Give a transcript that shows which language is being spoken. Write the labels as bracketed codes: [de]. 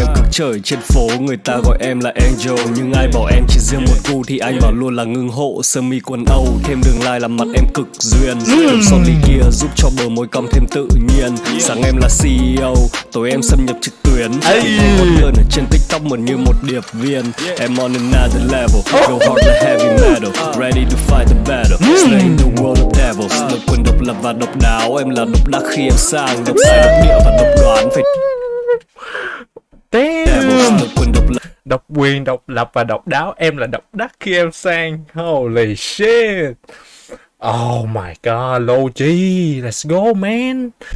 [vi] Trời trên phố người ta gọi em là Angel, nhưng ai bảo em chỉ riêng một cô thì anh bảo luôn là ngưng hộ sơ mi quần Âu, thêm đường like làm mặt em cực duyên, son ly kia giúp cho bờ môi cong thêm tự nhiên. Sáng em là CEO, tối em xâm nhập trực tuyến, một người ở trên TikTok mượn như một điệp viên. Em [en] on another level, go hard to heavy metal, ready to fight the battle, slay the world of devils. [vi] Lực quyền độc lập và độc đáo, em là độc đắc khi em sang độc xa độc địa và độc đoán phải. [en] Damn. [vi] Độc quyền, độc lập và độc đáo. Em là độc đắc khi em sang. [en] Holy shit. Oh my god, Logi, let's go man.